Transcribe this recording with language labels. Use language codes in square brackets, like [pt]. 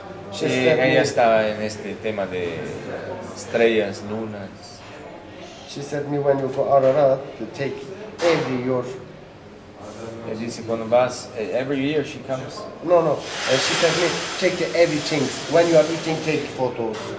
[es] Sí, ella estaba en este tema de estrellas, lunas. [en] She said me when you go Ararat to take every year. [es] Ella dice cuando vas [en] every year she comes. No. She said me take everything when you are eating take photos.